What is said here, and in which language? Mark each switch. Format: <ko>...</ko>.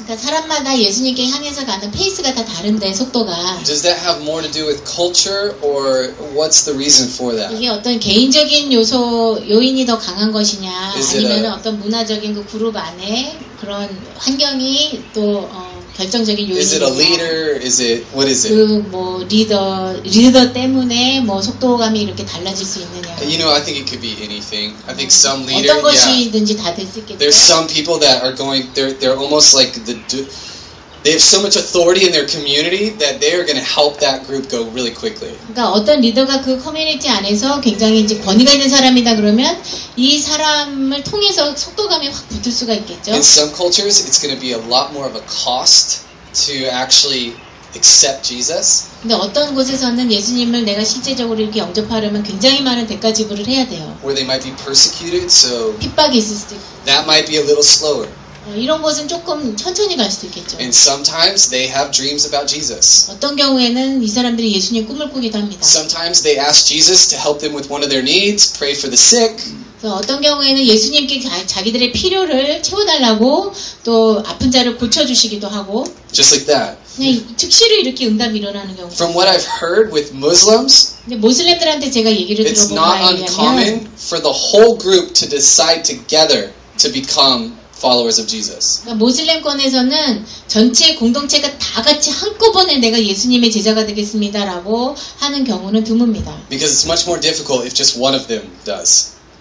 <ko>그러니까 사람마다 예수님께 향해서 가는 페이스가 다 다른데 속도가.</ko> <en>Does that have more to do with culture or what's the reason for that?</en> <ko>이게 어떤 개인적인 요소 요인이 더 강한 것이냐 아니면 어떤 문화적인 그 그룹 안에 그런 환경이 또 결정적인 요인이냐.</ko> <en>Is it a leader? Is it what is it?</en> <ko>그 뭐 리더 때문에 뭐 속도감이 이렇게 달라질 수 있느냐.</ko> <en>You know, I think it could be anything. I think some leader.</en> <ko>어떤 것이든지 다 될 수 있겠죠.</ko> <en>There's some people that are going. They're almost like the. They have so much authority in their community that they are going to help that group go really quickly.</en> <ko>그러니까 어떤 리더가 그 커뮤니티 안에서 굉장히 이제 권위가 있는 사람이다 그러면 이 사람을 통해서 속도감이 확 붙을 수가 있겠죠.</ko> <en>In some cultures, it's going to be a lot more of a cost to actually accept Jesus.</en> <ko>근데 어떤 곳에서는 예수님을 내가 실제적으로 이렇게 영접하려면 굉장히 많은 대가 지불을 해야 돼요.</ko> <en>Where they might be persecuted, so</en> <ko>핍박이 있을 수도 있고.</ko> <en>That might be a little slower.</en> <ko>이런 곳은 조금 천천히 갈 수도 있겠죠.</ko> <en>And sometimes they have dreams about Jesus.</en> <ko>어떤 경우에는 이 사람들이 예수님 꿈을 꾸기도 합니다.</ko> <en>Sometimes they ask Jesus to help them with one of their needs, pray for the sick.</en> <ko>어떤 경우에는 예수님께 자기들의 필요를 채워달라고 또 아픈 자를 고쳐주시기도 하고.</ko> <en>Just like that.</en> <ko>그냥 즉시로 이렇게 응답이 일어나는 경우.</ko> <en>From what I've heard with Muslims.</en> <ko>근데 모슬렘들한테 제가 얘기를 들어본 바에 의하면.</ko> <en>It's not uncommon for the whole group to decide together to become followers of Jesus.</en> <ko>그러니까 모슬렘권에서는 전체 공동체가 다 같이 한꺼번에 내가 예수님의 제자가 되겠습니다라고 하는 경우는 드뭅니다.</ko> <en>Because it's much more difficult if just one of them does.</en>